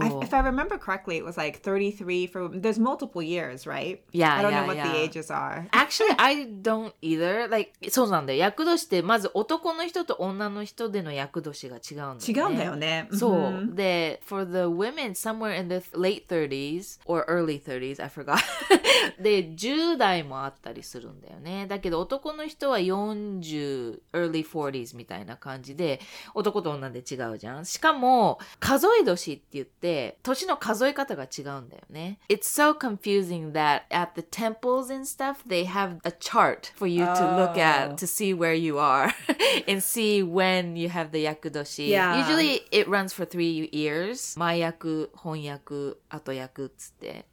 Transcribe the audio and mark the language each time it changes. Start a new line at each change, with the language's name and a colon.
English: If I remember correctly, it was like 33 for, there's multiple years, right? Yeah, I don't yeah, know what yeah. the ages are.
Japanese: Actually, I don't either. Like, そうなんだよ。yakudoshi ってまず男の人と女の人での yakudoshi が違うんだよね。違うんだよね。そう。
English: で、 for the women, somewhere in the late 30s or early 30s, I forgot.
Japanese: で、10代もあったりするんだよね。だけど男の人は40 early 40s みたいな感じで、男と女で違うじゃん。しかも、数え年って言って、年の数え方が違うんだよね。
English: It's so confusing that at the temples and stuff, they have a chart for you to look at to see where you are and see when you have the 厄年。 Yeah. Usually it runs for 3 years.
Japanese: 前厄、本厄、後厄っつって。